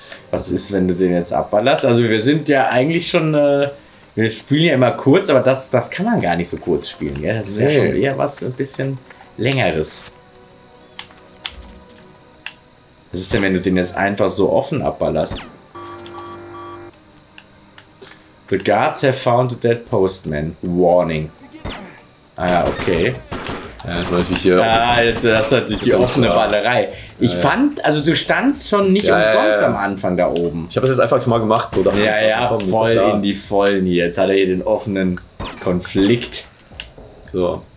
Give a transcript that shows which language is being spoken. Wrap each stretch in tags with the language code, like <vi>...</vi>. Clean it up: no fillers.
<de>Was ist, wenn du den jetzt abballerst? Also wir sind ja eigentlich schon, wir spielen ja immer kurz, aber das kann man gar nicht so kurz spielen, gell? Das ist ja schon eher was ein bisschen Längeres. Was ist denn, wenn du den jetzt einfach so offen abballerst?</de> <en>The guards have found a dead postman. Warning. Ah, okay.</en> <de>Ja, das war natürlich hier. Das war natürlich die offene Ballerei. Ich fand, also du standst schon nicht umsonst am Anfang da oben. Ich habe das jetzt einfach mal gemacht, so. Voll in die Vollen hier. Jetzt hat er hier den offenen Konflikt. So.</de>